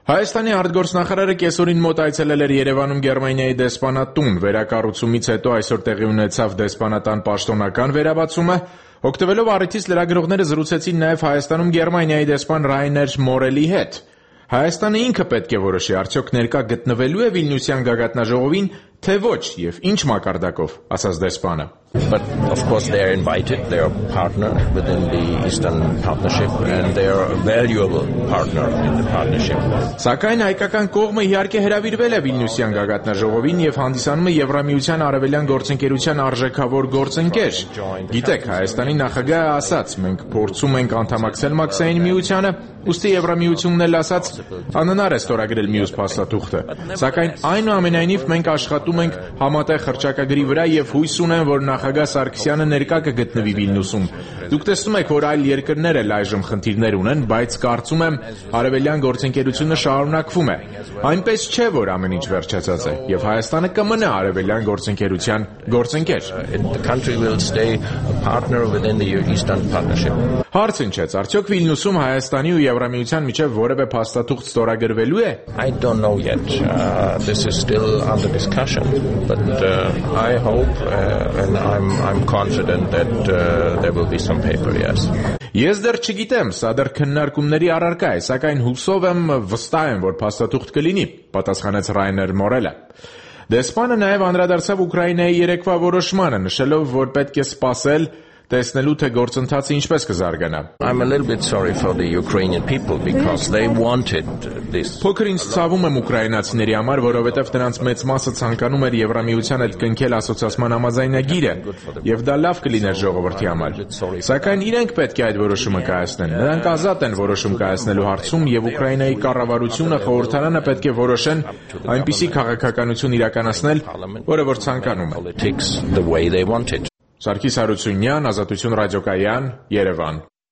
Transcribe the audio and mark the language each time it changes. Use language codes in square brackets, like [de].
[hy] Հայաստանի արտգործնախարարը կեսօրին մոտ այցելել էր Երևանում Գերմանիայի դեսպանատուն, վերակառուցումից հետո այսօր տեղի ունեցավ դեսպանատան պաշտոնական վերաբացումը։ Օգտվելով առիթից լրագրողները զրուցեցին նաև Հայաստանում Գերմանիայի դեսպան Ռայներ Մորելի հետ։ Հայաստանը ինքը պետք է որոշի, արդյոք ներկա գտնվելու է Վիլնյուսյան գագաթնաժողովին, թե ոչ, և ինչ մակարդակով, ասաց դեսպանը։ [en] But of course they are invited, they are a partner within the Eastern Partnership and they are a valuable partner in the partnership. [hy] Սակայն հայկական կողմը իհարկե հրավիրվել է Վիլնյուսյան գագաթնաժողովին և հանդիսանում է Եվրամիության արևելյան գործընկերության արժեքավոր գործընկեր։ Գիտեք, Հայաստանի նախագահը ասաց, մենք փորձում ենք անդամակցել մաքսային միությանը, ուստի Եվրամիությունն էլ ասաց, անհնար է ստորագրել մյուս փաստաթուղթը։ Սակայն այնուամենայնիվ մենք աշխատում ենք համատեղ հռչակագրի վրա և հույս ունեմ, որ նախագահ Սարգսյանը ներկա կգտնվի Վիլնյուսում։ Դուք տեսնում եք, որ այլ երկրներ էլ այժմ խնդիրներ ունեն, բայց կարծում եմ, արևելյան գործընկերությունը շարունակվում է։ Այնպես չէ, որ ամեն ինչ վերջացած է, և Հայաստանը կմնա արևելյան գործընկերության գործընկեր։ Հարց ինչեց, արդյոք Վիլնյուսում Հայաստանի ու Եվրամիության միջև որևէ փաստաթուղթ ստորագրվելու է։ [en] I don't know yet. This is still under discussion, but I hope and I'm confident that there will be some paper, yes. [hy] Ես դեռ չգիտեմ, սա դեռ քննարկումների առարկա է, սակայն հուսով եմ, վստահ եմ, որ փաստաթուղթ կլինի, պատասխանեց Ռայներ Մորելը։ Դեսպանը նաև անդրադարձավ Ուկրաինայի երեկվա որոշմանը, նշելով, որ պետք է սպասել տեսնելու թե գործընթացը ինչպես կզարգանա։ [en] I'm a little bit sorry for the Ukrainian people because they wanted this. [hy] Փոքր ինձ ցավում եմ ուկրաինացիների համար, որովհետև նրանց մեծ մասը ցանկանում էր Եվրամիության հետ կնքել ասոցիացիան համազայնագիրը, եւ դա լավ կլիներ ժողովրդի համար։ Սակայն իրենք պետք է այդ որոշումը կայացնեն։ Նրանք ազատ են որոշում կայացնելու հարցում, եւ Ուկրաինայի կառավարությունը, խորհրդարանը պետք է որոշեն այնպիսի քաղաքականություն իրականացնել, որը որ ցանկանում է։ Սարգիս Հարությունյան, Ազատություն ռադիոկայան, Երևան։